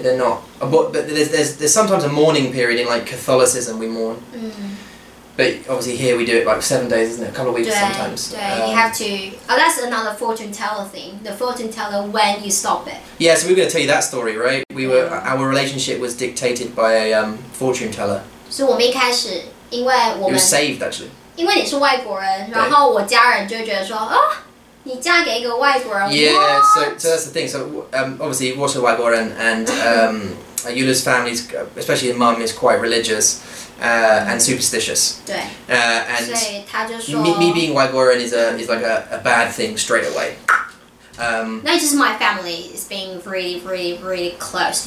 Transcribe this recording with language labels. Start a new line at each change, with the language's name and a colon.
English: They're not. But there's sometimes a mourning period in, like, Catholicism, we mourn. Mm. But obviously here we do it, like, 7 days, isn't it? A couple of weeks sometimes. You have to... Oh, that's another fortune teller thing. The fortune teller when you stop it. Yeah, so we were going to tell you that story, right? Our relationship was dictated by a fortune teller. So
Chinese: 我们一开始因为我们
English: You were saved, actually.
Chinese: 因为你是外国人然后我家人就觉得说、
English: oh!
Chinese: 你嫁给一个外国人
English: Yeah,、 what? so that's the thing. So, obviously, what's a 外国人 and Yula's family, especially her mum, is quite religious and superstitious.
Chinese: 对。
English: And
Chinese: 所以他就说
English: me being 外国人 is like a bad thing straight away. No, just my family is being really, really, really close.